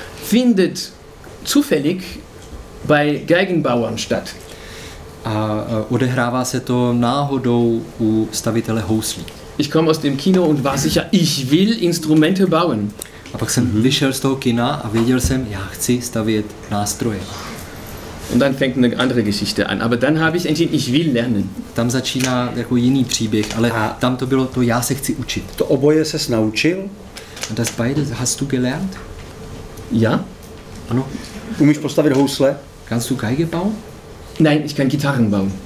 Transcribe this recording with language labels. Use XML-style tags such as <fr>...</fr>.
<de>Findet zufällig bei Geigenbauern statt.</de> <cs>A odehrává se to náhodou u stavitele houslí.</cs> <de>Ich komme aus dem Kino und war sicher, ich will Instrumente bauen.</de> <cs>A pak jsem vyšel z toho kina a věděl jsem, já chci stavět nástroje.</cs> <de>Und dann fängt eine andere Geschichte an, aber dann habe ich entschieden, ich will lernen.</de> <cs>Tam začíná jako jiný příběh, ale a tam to bylo to, já se chci učit. To oboje ses naučil?</cs> <de>Und das beide hast du gelernt? Ja.</de> <cs>Ano. Umíš postavit housle?</cs> <de>Kannst du Geige bauen? Nein, ich kann Gitarren bauen.</de>